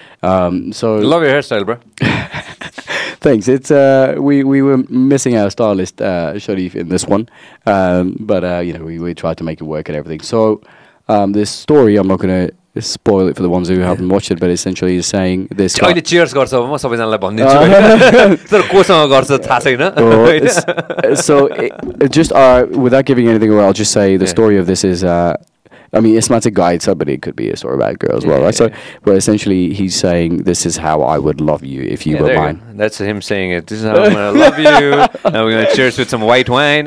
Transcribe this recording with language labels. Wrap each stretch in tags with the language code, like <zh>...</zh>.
<en>So love your hairstyle, bro. Thanks. It's we were missing our stylist Sharif in this one, you know, we tried to make it work and everything. So this story, I'm not gonna spoil it for the ones who haven't watched it, but essentially he's saying this.</en> <ne>अहिले cheers गर्छ अब म सबैजनालाई भन्दै छु तर कोसँग गर्छ थाहा छैन.</ne> <en>So it just without giving anything away, I'll just say the story of this is I mean, it's not a guide, so, but it could be a story about a girl as well, right? Yeah. So, but essentially, he's saying, this is how I would love you if you were mine. You. That's him saying it. This is how I'm going to love you. Now we're going to cheers with some white wine.</en>